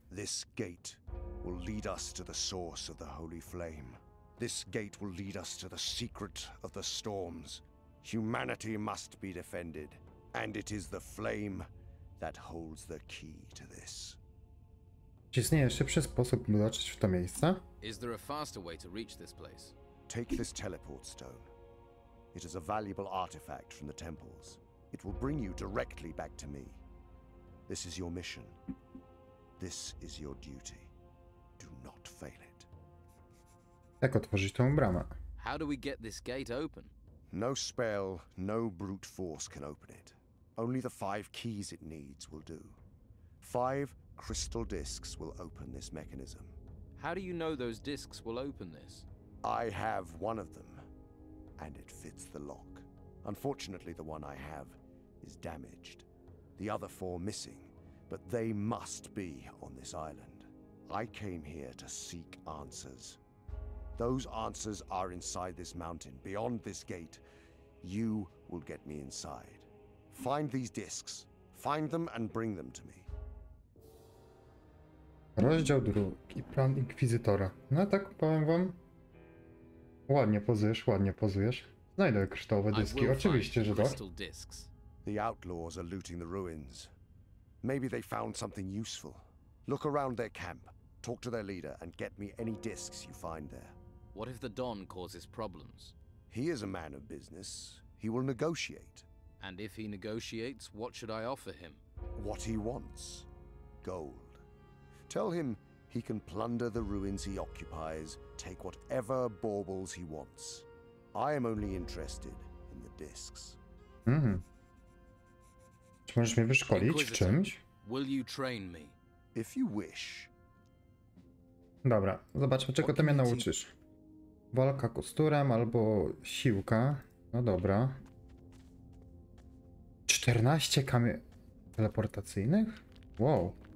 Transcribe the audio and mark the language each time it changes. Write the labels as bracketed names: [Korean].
[English] This gate will lead us to the source of the holy flame. This gate will lead us to the secret of the storms. Humanity must be defended, and it is the flame that holds the key to this. [Polish] Czy istnieje szybszy sposób, by dotrzeć w to miejsce? [English] Is there a faster way to reach this place? Take this teleport stone. It is a valuable artifact from the temples. It will bring you directly back to me. This is your mission. This is your duty. Do not fail it. [Polish] Jak otworzyć tą bramę? [English] How do we get this gate open? No spell, no brute force can open it. Only the five keys it needs will do. Five crystal discs will open this mechanism. How do you know those discs will open this? I have one of them, and it fits the lock. Unfortunately, the one I have is damaged. The other four missing, but they must be on this island. I came here to seek answers. Those answers are inside this mountain, beyond this gate. You will get me inside. Find these discs. Find them and bring them to me. [Polish] Rozdział drugi, plan inkwizytora. No tak powiem wam. Ładnie pozujesz, ładnie pozujesz. Znajdę kryształowe dyski, oczywiście, że tak. [English] The outlaws are looting the ruins. Maybe they found something useful. Look around their camp. Talk to their leader and get me any discs you find there. What if the Don causes problems? He is a man of business. He will negotiate. And if he negotiates, what should I offer him? What he wants. Gold. Tell him he can plunder the ruins he occupies, take whatever baubles he wants. I am only interested in the discs. Mm-hmm. [Polish] Czy możesz mnie wyszkolić w czymś? [English] Will you train me? If you wish. [Polish] Dobra, zobaczmy, czego ty mnie nauczysz. Walka kosturem albo siłka. No dobra. 14 kamień teleportacyjnych? Wow.